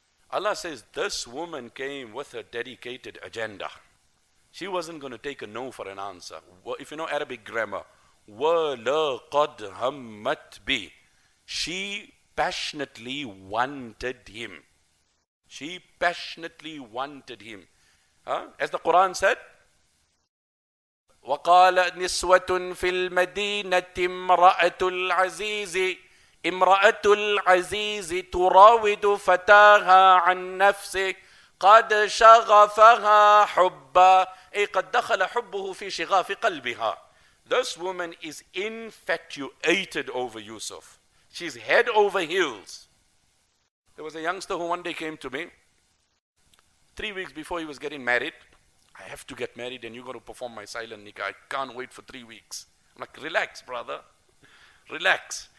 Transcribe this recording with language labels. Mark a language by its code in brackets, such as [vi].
[en] Allah says, this woman came with her dedicated agenda. She wasn't going to take a no for an answer. If you know Arabic grammar, [ar] وَلَقَدْ هَمَّتْ بِهِ. [en] She passionately wanted him. She passionately wanted him. Huh? As the Quran said, [ar] وَقَالَ نِسْوَةٌ فِي الْمَدِينَةِ امْرَأَةُ الْعَزِيزِ امْرَأَةُ الْعَزِيزِ تُرَاوِدُ فَتَاهَا عَنْ نَفْسِهِ قَدْ شَغَفَهَا حُبَّا اي قَدْ دَخَلَ حُبُّهُ فِي شِغَافِ قَلْبِهَا. [en] This woman is infatuated over Yusuf. She's head over heels. There was a youngster who one day came to me. 3 weeks before he was getting married. I have to get married and you got to perform my silent nikah. I can't wait for 3 weeks. I'm like, relax, brother. Relax.